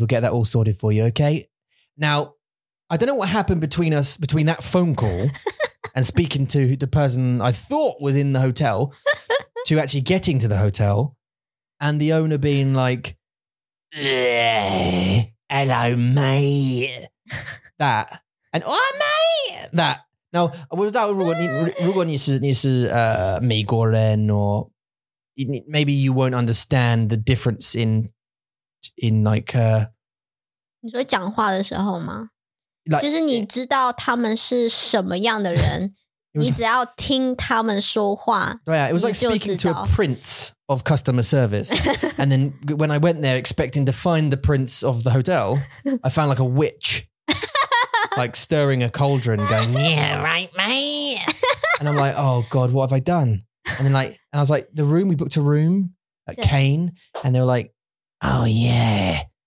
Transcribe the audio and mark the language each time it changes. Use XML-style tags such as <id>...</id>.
<en>We'll get that all sorted for you, okay? Now, I don't know what happened between us, between that phone call and speaking to the person I thought was in the hotel to actually getting to the hotel and the owner being like, hello, mate, that. And, oh, mate, that. Now,</en> <zh>我不知道如果你是美国人</zh> <en>or maybe you won't understand the difference in like...</en> <zh>你说讲话的时候吗? Like, 就是你知道他们是什么样的人, 你只要听他们说话,</zh> <en>yeah, it was like speaking to a prince of customer service. And then when I went there expecting to find the prince of the hotel, I found like a witch, like stirring a cauldron going, yeah, right, mate. And I'm like, oh God, what have I done? And then like, and I was like, the room, we booked a room at Kane, and they were like, oh yeah.</en>